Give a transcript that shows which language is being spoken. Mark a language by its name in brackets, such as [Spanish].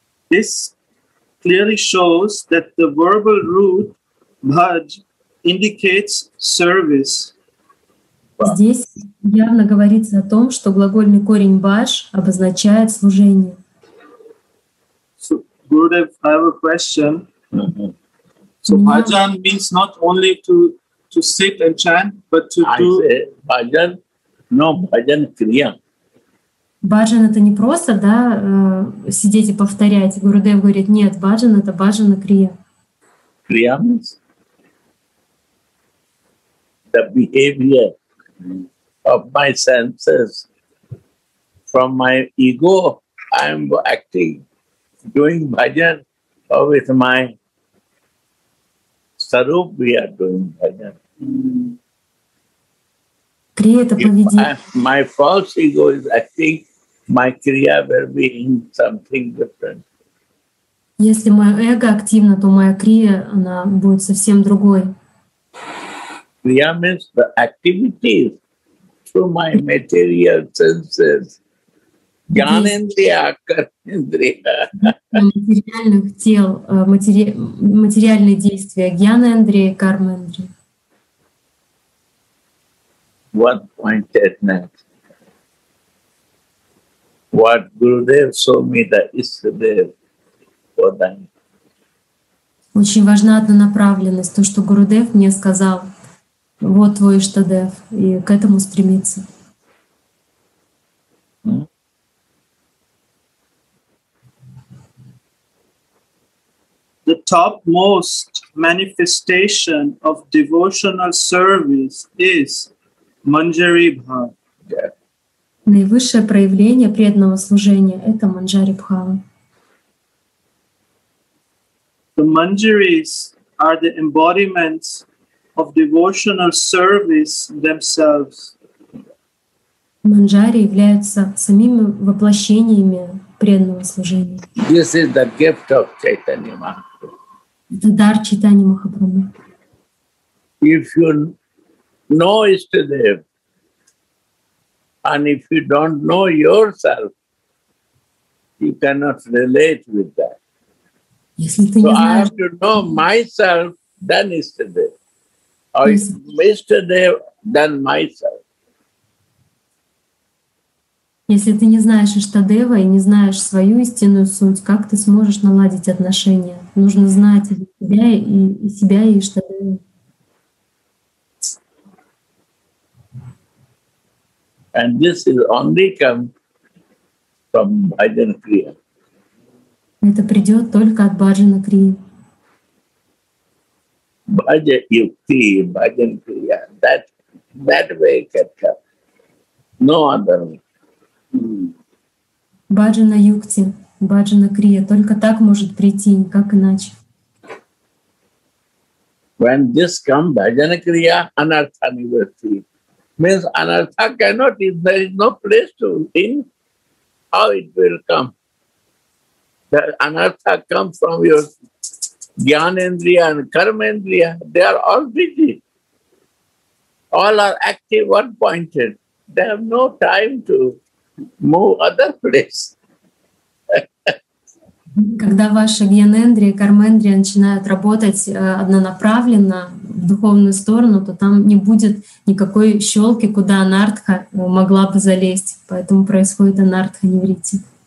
[English] This clearly shows that the verbal root bhaj indicates service. [Russian] Здесь явно говорится о том, что глагольный корень bhaj обозначает служение. [English] So, Gurudev, I have a question. Mm-hmm. So bhajan means not only to sit and chant, but to do bhajan, no bhajan kriya. [Russian] Bhajan — это не просто, да, сидеть и повторять. Гурудев говорит, нет, bhajan — это bhajan kriya. [English] Kriya means the behavior of my senses. From my ego, I'm acting, doing bhajan, or with my sarup, we are doing bhajan. [Russian] Kriya — это поведение. [English] My false ego is acting, my kriya will be in something different. [Russian] Если мое эго активно, то моя крия, она будет совсем другой. [English] Kriya means the activities through my material senses. [Russian] Ганендрия, карма-индрия. Материальных тел, материальные действия. Гьяна-индрия, карма-индрия. [English] One point at night. What Gurudev saw me that is there for them. [Russian] Очень важна одна направленность, то, что Гурудев мне сказал, вот твой Иштадев, и к этому стремиться. [English] The topmost manifestation of devotional service is Manjari Bhava. Yeah. [Russian] Наивысшее проявление преданного служения — это Манджари Бхава. [English] The manjaris are the embodiments of devotional service themselves. [Russian] Манджари являются самими воплощениями преданного служения. [English] This is the gift of Chaitanya Mahaprabhu. [Russian] Это дар Чайтаньи Махапрабху. [English] If you know Ishtadev, and if you don't know yourself, you cannot relate with that. So I have to know myself, then Ishtadev. Or Ishtadev, then myself. [Russian] Если ты не знаешь Иштадева и не знаешь свою истинную суть, как ты сможешь наладить отношения? Нужно знать себя и себя, и Иштадева. [English] And this is only come from Bhajan Kriya. [Russian] Это придет только от Bhajan Kriya. [English] Bhajan Yukti, Bhajan Kriya. That way can come. No other way. [Russian] Bhajan Yukti, Bhajan Kriya. Только так может прийти, как иначе. [English] When this come, Bhajan Kriya, Anartha Nivritti. Means anartha cannot, there is no place to think how it will come. The anartha comes from your jnanendriya and karmendriya, they are all busy. All are active, one-pointed. They have no time to move other place. [Russian] Когда ваши гьянендрия, кармендрия начинают работать однонаправленно в духовную сторону, то там не будет никакой щелки, куда анартха могла бы залезть. Поэтому происходит анартха неврити.